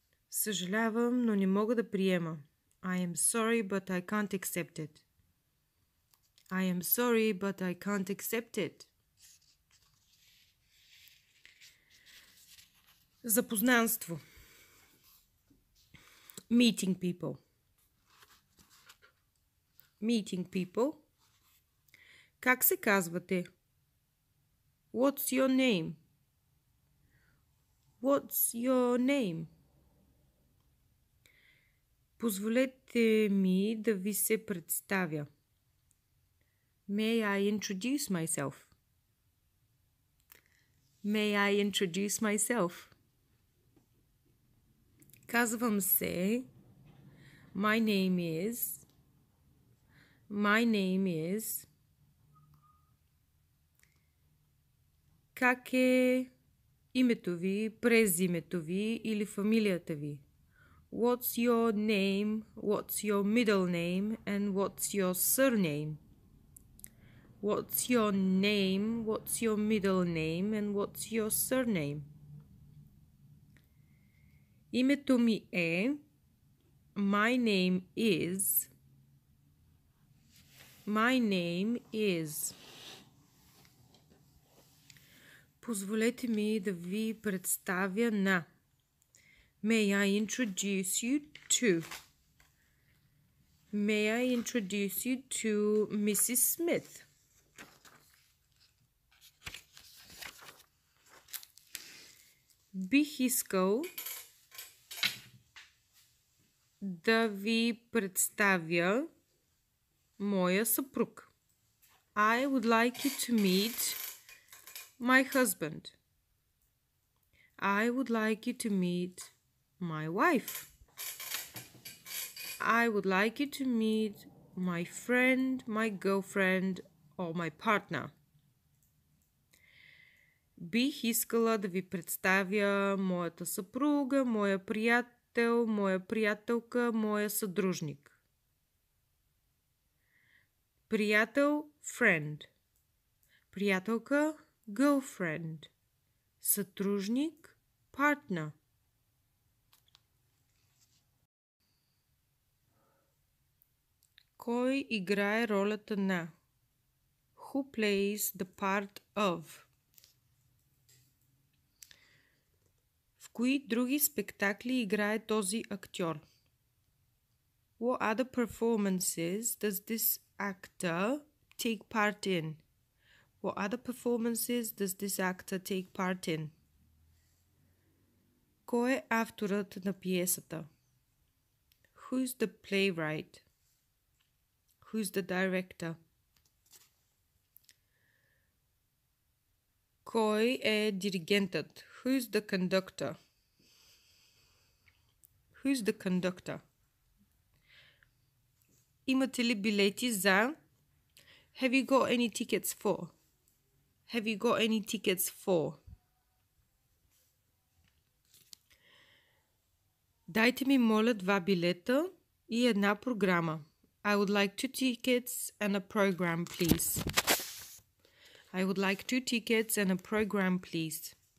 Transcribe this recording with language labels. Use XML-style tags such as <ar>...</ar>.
<bg>Съжалявам, но не мога да приема.</bg> <en>I am sorry, but I can't accept it. I am sorry, but I can't accept it.</en> <bg>Запознанство.</bg> <en>Meeting people. Meeting people.</en> <bg>Как се казвате?</bg> <en>What's your name? What's your name?</en> <bg>Позволете ми да ви се представя.</bg> <en>May I introduce myself? May I introduce myself?</en> <bg>Казвам се.</bg> <en>My name is. My name is.</en> <bg>Как е името ви, презимето ви или фамилията ви?</bg> <en>What's your name, what's your middle name and what's your surname? What's your name, what's your middle name and what's your surname?</en> <bg>Името ми е,</bg> <en>my name is, my name is.</en> <bg>Позволете ми да ви представя на.</bg> <en>May I introduce you to? May I introduce you to Mrs. Smith?</en> <bg>Бих искал да ви представя моя съпруг.</bg> <en>I would like you to meet my husband. I would like you to meet my wife. I would like you to meet my friend, my girlfriend, or my partner.</en> <bg>Бих искала да ви представя моята съпруга, моя приятел, моя приятелка, моя съдружник. Приятел,</bg> <en>friend.</en> <bg>Приятелка,</bg> <en>girlfriend.</en> <bg>Съдружник,</bg> <en>partner.</en> <bg>Кой играе ролята на?</bg> <en>Who plays the part of?</en> <bg>В кои други спектакли играе този актьор?</bg> <en>What other performances does this actor take part in? What other performances does this actor take part in?</en> <bg>Кой е авторът на пиесата?</bg> <en>Who's the playwright? Who's the director?</en> <bg>Кой е диригентът?</bg> <en>Who's the conductor? Who's the conductor?</en> <bg>Имате ли билети за?</bg> <en>Have you got any tickets for? Have you got any tickets for?</en> <bg>Дайте ми моля два билета и една програма.</bg> <en>I would like two tickets and a program, please. I would like two tickets and a program, please.</en>